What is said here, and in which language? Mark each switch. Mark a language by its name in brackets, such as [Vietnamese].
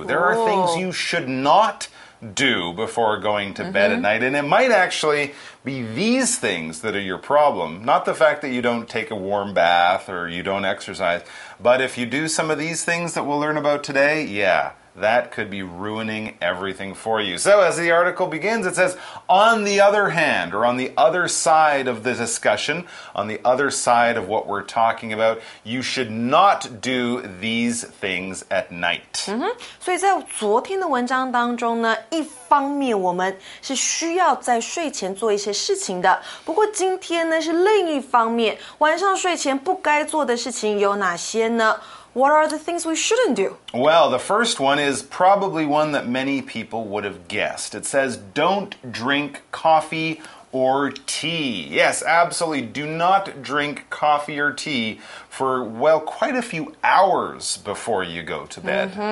[English] There are things you should not do before going to bed at night, and it might actually be these things that are your problem, not the fact that you don't take a warm bath or you don't exercise, but if you do some of these things that we'll learn about today, yeah, that could be ruining everything for you. So as the article begins, it says, on the other hand, or on the other side of the discussion, on the other side of what we're talking about, you should not do these things at night. [Chinese] 所以在昨天的文章当中呢，一方面我们是需要在睡前做一些事情的，不过今天呢，是另一方面，晚上睡前不该做的事情有哪些呢？ [English] What are the things we shouldn't do? Well, the first one is probably one that many people would have guessed. It says, don't drink coffee or tea. Yes, absolutely. Do not drink coffee or tea for, well, quite a few hours before you go to bed.